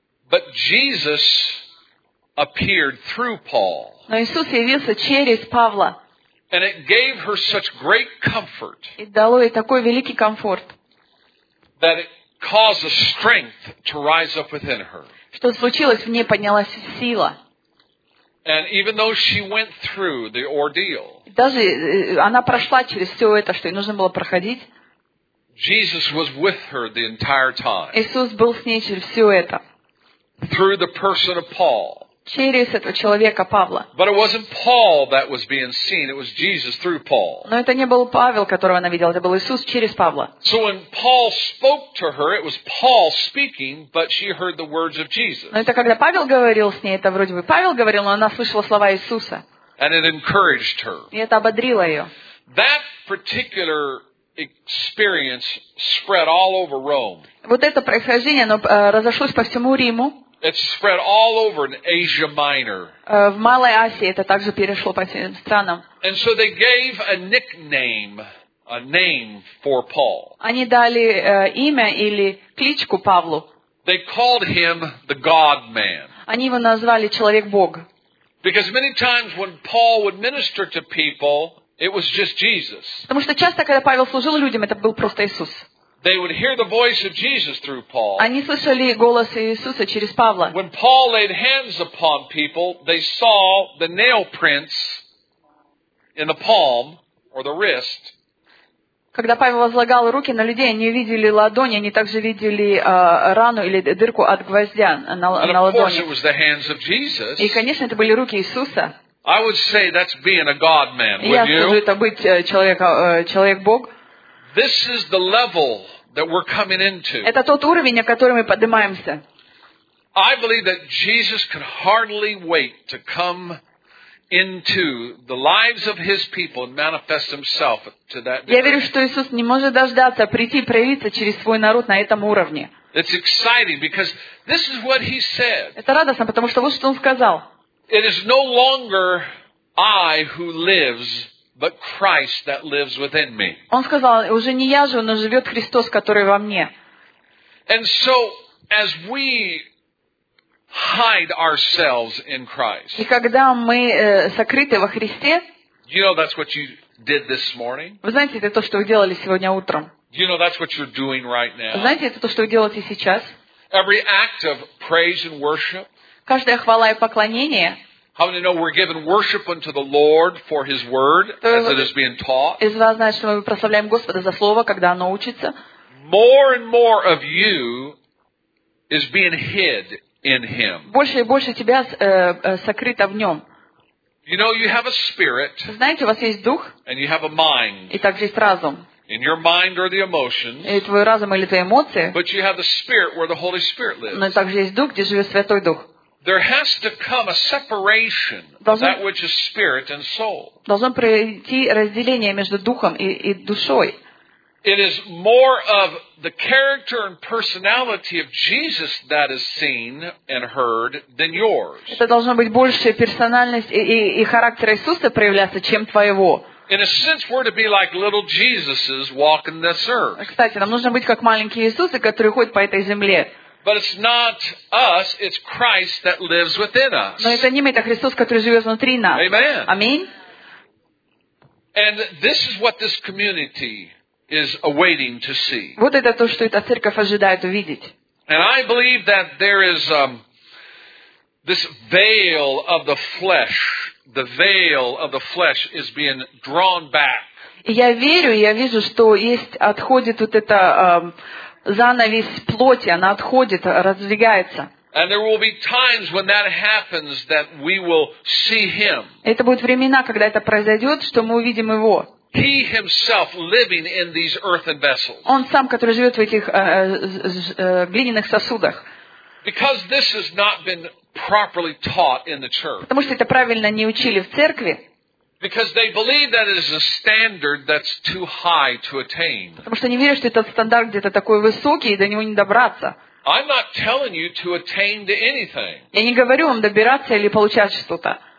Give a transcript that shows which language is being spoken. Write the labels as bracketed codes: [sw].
[en] But Jesus appeared through Paul. [ru] Но Иисус явился через Павла. [en] And it gave her such great comfort. [ru] И дало ей такой великий комфорт. [en] That it caused a strength to rise up within her. [ru] Что случилось, в ней поднялась сила. [en] And even though she went through the ordeal, [ru] даже она прошла через все это, что ей нужно было проходить. [en] Jesus was with her the entire time. [ru] Иисус был с ней через все это. [en] Through the person of Paul. [ru] Через этого человека Павла. [en] But it wasn't Paul that was being seen; it was Jesus through Paul. [ru] Но это не был Павел, которого она видела, это был Иисус через Павла. [en] So when Paul spoke to her, it was Paul speaking, but she heard the words of Jesus. [ru] Но это когда Павел говорил с ней, это вроде бы Павел говорил, но она слышала слова Иисуса. [en] And it encouraged her. [ru] И это ободрило ее. [en] That particular experience spread all over Rome. [ru] Вот это происхождение, оно разошлось по всему Риму. [en] It spread all over in Asia Minor. [ru] В Малой Азии это также перешло по всем странам. [en] And so they gave a nickname, a name for Paul. [ru] Они дали имя или кличку Павлу. [en] They called him the God Man. [ru] Они его назвали человек Бог. [en] Because many times when Paul would minister to people, it was just Jesus. [ru] Потому что часто, когда Павел служил людям, это был просто Иисус. [en] They would hear the voice of Jesus through Paul. [ru] Они слышали голос Иисуса через Павла. [en] When Paul laid hands upon people, they saw the nail prints in the palm or the wrist. [ru] Когда Павел возлагал руки на людей, они видели ладони, они также видели рану или дырку от гвоздя на ладони. [en] And of course it was the hands of Jesus. [ru] И, конечно, это были руки Иисуса. [en] I would say that's being a God man, would you? [ru] Я скажу, это быть человек-бог. [en] This is the level that we're coming into. [ru] Это тот уровень, на который мы поднимаемся. [en] I believe that Jesus could hardly wait to come into the lives of his people and manifest himself to that degree. [ru] Я верю, что Иисус не может дождаться прийти и проявиться через свой народ на этом уровне. [en] It's exciting because this is what he said. [ru] Это радостно, потому что вот что он сказал. [en] It is no longer I who lives, but Christ that lives within me. [ru] Он сказал, уже не я живу, но живет Христос, который во мне. [en] And so, as we hide ourselves in Christ, [ru] и когда мы сокрыты во Христе, [en] you know that's what you did this morning? [ru] Вы знаете, это то, что вы делали сегодня утром? [en] You know that's what you're doing right now? [ru] Вы знаете, это то, что вы делаете сейчас? [en] Every act of praise and worship, [ru] каждая хвала и поклонение, [en] how many know we're giving worship unto the Lord for His Word as it is being taught? [ru] Из вас знает, что мы прославляем Господа за слово, когда оно учится. [en] More and more of you is being hid in Him. [ru] Больше и больше тебя сокрыто в Нем. [en] You know you have a spirit. [ru] Знаете, у вас есть дух. [en] And you have a mind. [ru] И также есть разум. [en] In your mind or the emotions. [ru] И твой разум или твои эмоции. [en] But you have the spirit where the Holy Spirit lives. [ru] Но также есть дух, где живет Святой Дух. [en] There has to come a separation of that which is spirit and soul. [ru] Должно произойти разделение между духом и душой. [en] It is more of the character and personality of Jesus that is seen and heard than yours. [ru] Это должно быть больше персональность и характер Иисуса проявляться, чем твоего. [en] In a sense, we're to be like little Jesuses walking this earth. [ru] Кстати, нам нужно быть как маленькие Иисусы, которые ходят по этой земле. [en] But it's not us, it's Christ that lives within us. [ru] Но это не мы, это Христос, который живет внутри нас. [en] Amen. [ru] Аминь. [en] And this is what this community is awaiting to see. [ru] Вот это то, что эта церковь ожидает увидеть. [en] And I believe that there is this veil of the flesh. The veil of the flesh is being drawn back. [ru] Я верю, я вижу, что есть, отходит вот эта занавесь плоти, она отходит, раздвигается. [en] And there will be times when that happens that we will see him. [ru] Это будут времена, когда это произойдет, что мы увидим его. [en] He himself living in these earthen vessels. [ru] Он сам, который живет в этих глиняных сосудах. [en] Because this has not been properly taught in the church. [ru] Потому что это правильно не учили в церкви. [en] Because they believe that it is a standard that's too high to attain. [ru] Потому что они верят, что этот стандарт где-то такой высокий, и до него не добраться. [en] I'm not telling you to attain to anything. [ru] Я не говорю вам добираться или получать что-то.